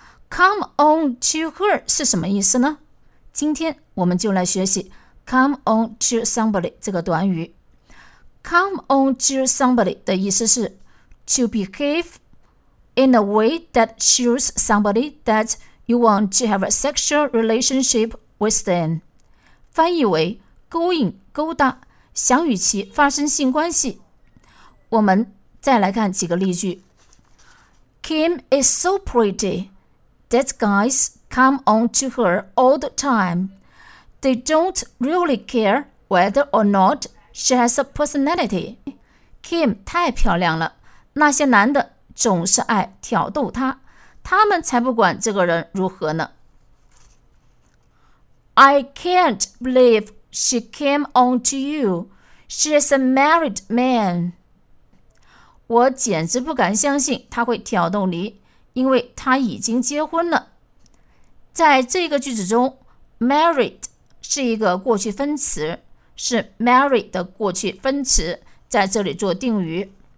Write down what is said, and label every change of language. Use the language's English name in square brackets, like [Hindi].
[English] Come on to her [Chinese] 是什么意思呢？今天我们就来学习 [English] come on to somebody [Chinese] 这个短语。 [English] Come on to somebody [Chinese] 的意思是 [English] to behave in a way that shows somebody that you want to have a sexual relationship with them. [Chinese] 翻译为勾引、勾搭，想与其发生性关系。我们再来看几个例句。 [English] Kim is so pretty that guys come on to her all the time. They don't really care whether or not she has a personality. [Chinese] Kim 太漂亮了。那些男的总是爱挑逗他，他们才不管这个人如何呢。 [English] I can't believe she came on to you. She is a married man. [Chinese] 我简直不敢相信他会挑逗你，因为他已经结婚了。在这个句子中 married 是一个过去分词，是 marry 的过去分词，在这里做定语。